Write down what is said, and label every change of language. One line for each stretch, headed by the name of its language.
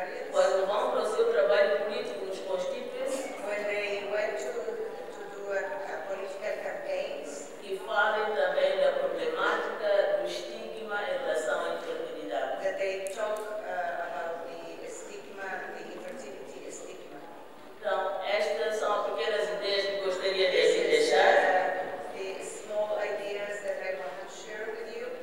Portuguese: Quando vão para o seu trabalho político nos constituintes,
English: when they went to do a political campaigns,
Portuguese: e falem também da problemática do estigma em relação à infertilidade.
English: That they talk about the stigma, the infertility stigma.
Portuguese: Então, estas são pequenas ideias que gostaria de deixar.
English: The small ideas that I want to share with you.